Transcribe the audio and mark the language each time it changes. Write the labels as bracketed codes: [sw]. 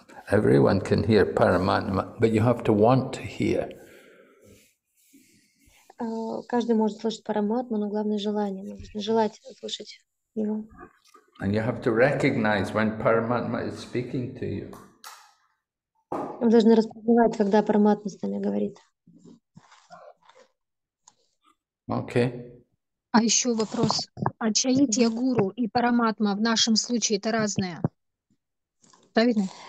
[en] Everyone can hear Paramatma, but you have to want to hear. [ru] Каждый может слышать Параматму, но главное желание. Нужно желать слышать его. [en] And you have to recognize when Paramatma is speaking to you. [ru] Вы должны распознавать, когда Параматма с нами говорит. [en] Okay. [ru] А еще вопрос. А Чаития Гуру и Параматма в нашем случае это разное? Правильно?